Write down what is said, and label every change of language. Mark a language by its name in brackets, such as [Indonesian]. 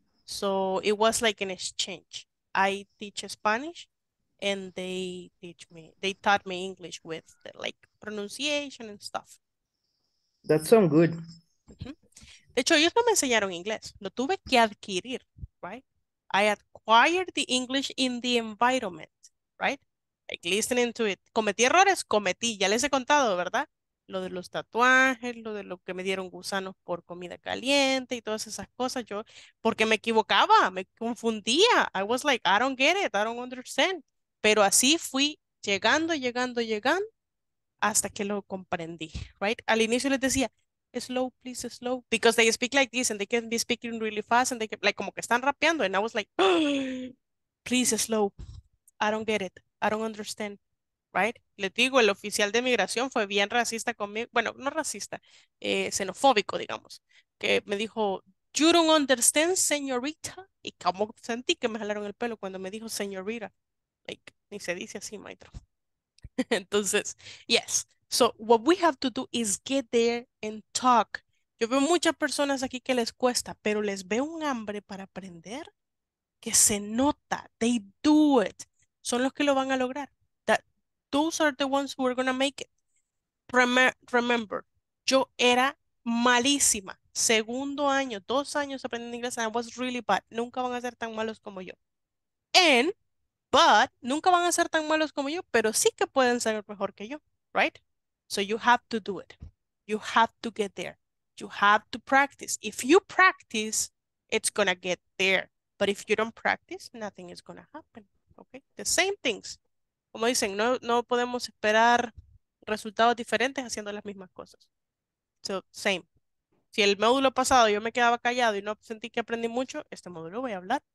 [English] So it was like an exchange. I teach Spanish and they taught me English with the, like, pronunciation and stuff. That sounds good. [Spanish] De hecho, ellos no me enseñaron inglés. Lo tuve que adquirir, right? [English] I acquired the English in the environment, right? Like listening to it. [Spanish] ¿Cometí errores? Cometí. Ya les he contado, ¿verdad? Lo de los tatuajes, lo de lo que me dieron gusanos por comida caliente y todas esas cosas. Yo, porque me equivocaba, me confundía. [English] I was like, I don't get it, I don't understand. [Spanish] Pero así fui llegando, hasta que lo comprendí, right? Al inicio les decía, [English] slow, please, slow. Because they speak like this and they can be speaking really fast and they can, like, [Spanish] como que están rapeando. [English] And I was like, please, slow. I don't get it. I don't understand. Right? [Spanish] Les digo, el oficial de migración fue bien racista conmigo. Bueno, no racista, xenofóbico, digamos. Que me dijo, [English] you don't understand, [Spanish] señorita. Y como sentí que me jalaron el pelo cuando me dijo, señorita. Like, ni se dice así, maestro. Entonces, yes. [English] So what we have to do is get there and talk. [Spanish] Yo veo muchas personas aquí que les cuesta, pero les veo un hambre para aprender que se nota. [English] They do it. [Spanish] Son los que lo van a lograr. [English] That those are the ones who are going to make it. [Spanish] Remember, yo era malísima. Segundo año, 2 años aprendiendo inglés, [English] and I was really bad. [Spanish] Nunca van a ser tan malos como yo. But nunca van a ser tan malos como yo, pero sí que pueden ser mejor que yo, right? [English] So you have to do it. You have to get there. You have to practice. If you practice, it's gonna get there. But if you don't practice, nothing is gonna happen. Okay? The same things. [Spanish] Como dicen, no podemos esperar resultados diferentes haciendo las mismas cosas. [English] So, same. [Spanish] Si el módulo pasado yo me quedaba callado y no sentí que aprendí mucho, este módulo voy a hablar.